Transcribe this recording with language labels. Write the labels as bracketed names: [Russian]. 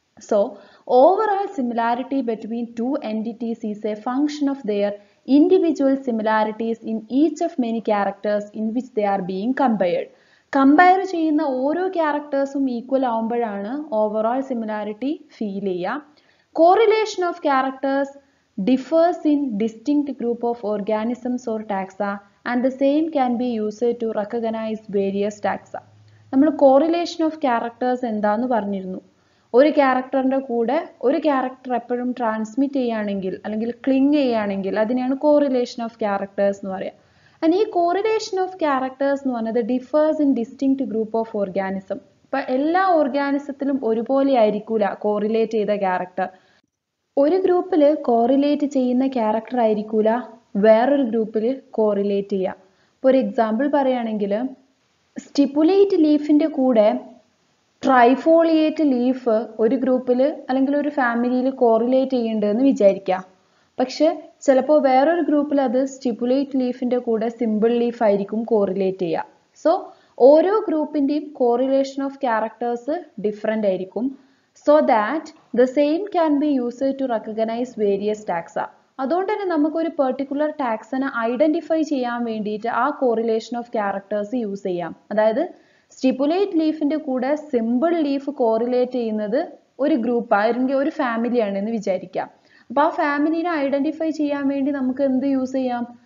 [English] So overall similarity between two entities is a function of their individual similarities in each of many characters in which they are being compared. [Malayalam] Compare ചെയ്യുന്ന ഓരോ ക്യാരക്ടേഴ്സും equal ആവുമ്പോഴാണ് overall similarity feel ചെയ്യുക. [English] Correlation of characters differs in distinct group of organisms or taxa and the same can be used to recognize various taxa. [Malayalam] നമ്മൾ correlation of characters എന്താന്ന് പറഞ്ഞിരുന്നു. ഒരു ക്യാരക്ടറിൻ്റെ കൂടെ ഒരു character എപ്പോഴും ട്രാൻസ്മിറ്റ് ചെയ്യുകയാണെങ്കിൽ അല്ലെങ്കിൽ ക്ലിങ് ചെയ്യുകയാണെങ്കിൽ അതിനെയാണ് കോറിലേഷൻ ഓഫ് ക്യാരക്ടേഴ്സ് എന്ന് പറയുക. [English] and ഈ correlation of characters [Malayalam] എന്ന് പറഞ്ഞത് [English] Differs in distinct group of organism. [Malayalam] ഇപ്പം എല്ലാ ഓർഗാനിസത്തിലും ഒരുപോലെ ആയിരിക്കില്ല കോറിലേറ്റ് ചെയ്ത ക്യാരക്ടർ. ഒരു ഗ്രൂപ്പിൽ കോറിലേറ്റ് ചെയ്യുന്ന ക്യാരക്ടർ ആയിരിക്കില്ല വേറൊരു ഗ്രൂപ്പിൽ കോറിലേറ്റ് ചെയ്യുക. ഇപ്പോൾ ഒരു എക്സാമ്പിൾ പറയുകയാണെങ്കിൽ, സ്റ്റിപ്പുലേറ്റ് ലീഫിൻ്റെ കൂടെ ട്രൈഫോളിയേറ്റ് ലീഫ് ഒരു ഗ്രൂപ്പിൽ അല്ലെങ്കിൽ ഒരു ഫാമിലിയിൽ കോറിലേറ്റ് ചെയ്യുന്നുണ്ടെന്ന് വിചാരിക്കുക. പക്ഷെ ചിലപ്പോൾ വേറൊരു ഗ്രൂപ്പിൽ അത് സ്റ്റിപ്പുലേറ്റ് ലീഫിൻ്റെ കൂടെ സിമ്പിൾ ലീഫ് ആയിരിക്കും കോറിലേറ്റ് ചെയ്യുക. സോ ഓരോ ഗ്രൂപ്പിൻ്റെയും കോറിലേഷൻ ഓഫ് ക്യാരക്ടേഴ്സ് ഡിഫറെൻ്റ് ആയിരിക്കും. [English] So that the same can be used to recognize various taxa. [Malayalam] അതുകൊണ്ട് തന്നെ നമുക്ക് ഒരു പെർട്ടിക്കുലർ ടാക്സിനെ ഐഡൻറ്റിഫൈ ചെയ്യാൻ വേണ്ടിയിട്ട് ആ കോറിലേഷൻ ഓഫ് ക്യാരക്ടേഴ്സ് യൂസ് ചെയ്യാം. അതായത് സ്റ്റിപ്പുലേറ്റ് ലീഫിൻ്റെ കൂടെ സിമ്പിൾ ലീഫ് കോറിലേറ്റ് ചെയ്യുന്നത് ഒരു ഗ്രൂപ്പ് അല്ലെങ്കിൽ ഒരു ഫാമിലിയാണ് എന്ന് വിചാരിക്കാം. അപ്പോൾ ആ ഫാമിലിനെ ഐഡൻറ്റിഫൈ ചെയ്യാൻ വേണ്ടി നമുക്ക് എന്ത് യൂസ് ചെയ്യാം?